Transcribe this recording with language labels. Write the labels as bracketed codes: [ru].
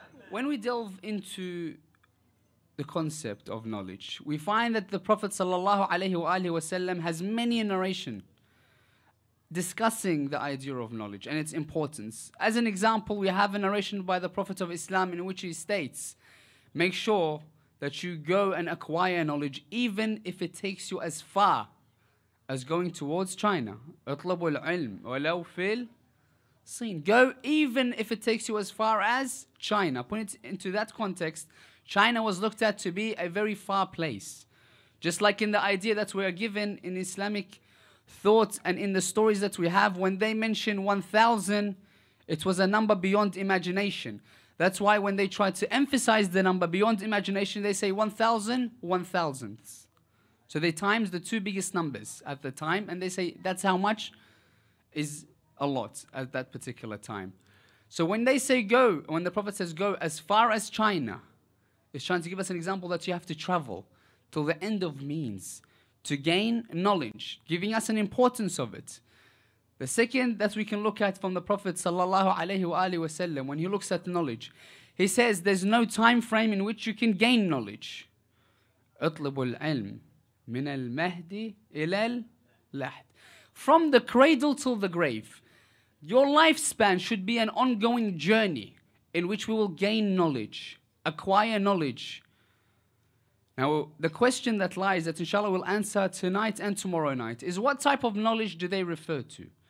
[en] When we delve into the concept of knowledge, we find that the Prophet sallallahu alayhi wa alihi wasallam has many narration discussing the idea of knowledge and its importance. As an example, we have a narration by the Prophet of Islam in which he states, make sure that you go and acquire knowledge, even if it takes you as far as going towards China. [ar] اطلبوا العلم ولو في الصين. [en] Go even if it takes you as far as China. Put it into that context. China was looked at to be a very far place. Just like in the idea that we are given in Islamic thought and in the stories that we have, when they mention 1,000, it was a number beyond imagination. That's why when they try to emphasize the number beyond imagination, they say 1,000, 1,000ths. So they times the two biggest numbers at the time, and they say that's how much is a lot at that particular time. So when they say go, when the Prophet says go as far as China, he's trying to give us an example that you have to travel till the end of means to gain knowledge, giving us an importance of it. The second that we can look at from the Prophet sallallahu alayhi wa alihi wasallam, when he looks at knowledge, he says there's no time frame in which you can gain knowledge. [ar] اطلبوا العلم من المهدي إلى اللحد. [en] From the cradle till the grave, your lifespan should be an ongoing journey in which we will gain knowledge, acquire knowledge, Now, the question that lies, that inshallah we'll answer tonight and tomorrow night, is what type of knowledge do they refer to?